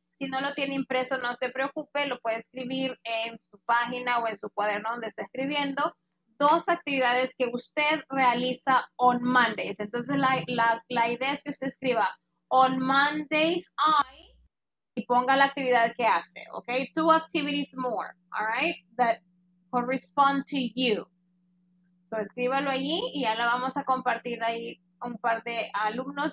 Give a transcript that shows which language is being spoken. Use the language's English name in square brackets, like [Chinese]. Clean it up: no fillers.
[Spanish] Si no lo tiene impreso, no se preocupe, lo puede escribir en su página o en su cuaderno donde está escribiendo. Dos actividades que usted realiza [English] on Mondays. [Spanish] Entonces, la idea es que usted escriba [English] on Mondays I [Spanish] y ponga la actividad que hace, ¿ok? [English] Two activities more, all right, that correspond to you. [Spanish] So, escríbalo allí y ya la vamos a compartir ahí un par de alumnos.